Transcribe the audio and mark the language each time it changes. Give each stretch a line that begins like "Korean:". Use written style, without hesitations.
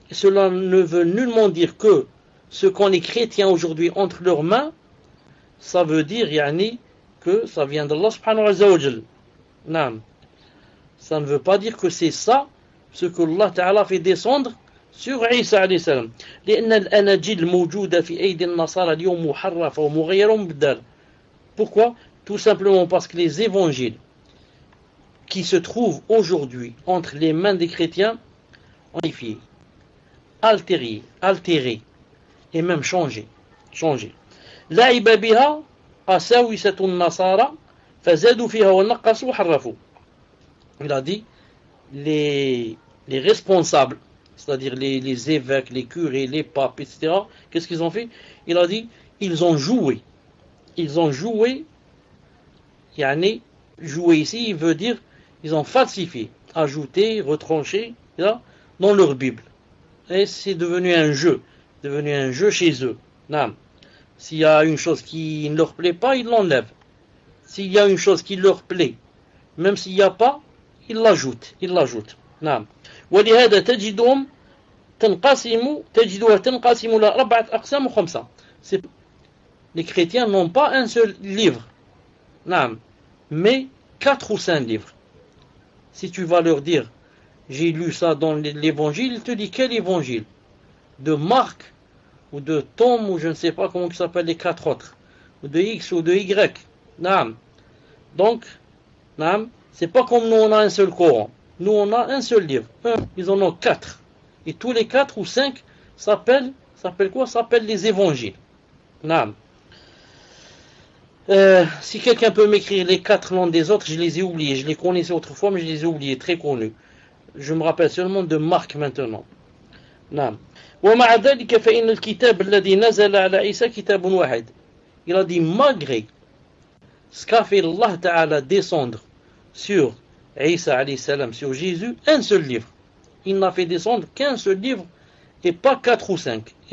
French: Cela ne veut nullement dire que ce qu'ont les chrétiens aujourd'hui entre leurs mains, ça veut dire, yani, peut, ça vient d'Allah subhanahu wa ta'ala. Naam. Ça ne veut pas dire que c'est ça ce que Allah ta'ala fait descendre sur Isa alayhi salam.
Arabic: لأن الأناجيل موجودة في أيدي النصارى اليوم محرفة ومغيرة مبدل.
French: Pourquoi? Tout simplement parce que les évangiles qui se trouvent aujourd'hui entre les mains des chrétiens ont modifié, altéré et même changé.
Arabic: لعب بها قساوسة النصارى فزادوا فيها ونقصوا وحرفوا.
French: Il a dit les responsables, c'est-à-dire les évêques, les curés, les papes, etc. Qu'est-ce qu'ils ont fait? Il a dit ils ont joué. Yani, jouer ici, il veut dire ils ont falsifié, ajouté, retranché, là, dans leur Bible. Et c'est devenu un jeu chez eux. Non. S'il y a une chose qui ne leur plaît pas, ils l'enlèvent. S'il y a une chose qui leur plaît, même s'il n'y a pas, ils l'ajoutent. Non.
Arabic: ولهذا تجدهم تنقسم تجدها تنقسم الى اربعه اقسام وخمسه.
French: Les chrétiens n'ont pas un seul livre. Non. Mais 4 ou 5 livres. Si tu vas leur dire, j'ai lu ça dans l'évangile, il te dit quel évangile? De Marc, ou de Tom, ou je ne sais pas comment ils s'appellent les 4 autres. Ou de X ou de Y. Naam. Donc, naam, c'est pas comme nous on a un seul Coran. Nous on a un seul livre. Ils en ont 4. Et tous les 4 ou 5 s'appellent quoi? S'appellent les évangiles. Naam. Si quelqu'un peut m'écrire les 4 noms des autres, je les ai oubliés. Je les connaissais autrefois, mais je les ai oubliés. Très connus. Je me rappelle seulement de Marc maintenant. Naam.
Arabic: ومع ذلك فإن الكتاب الذي نزل على عيسى كتاب واحد.
French: Il a dit malgré ce qu'a fait Allah Ta'ala descendre sur Isa alayhi salam, sur Jésus, un seul livre. Il n'a fait descendre qu'un seul livre et pas 4 ou 5.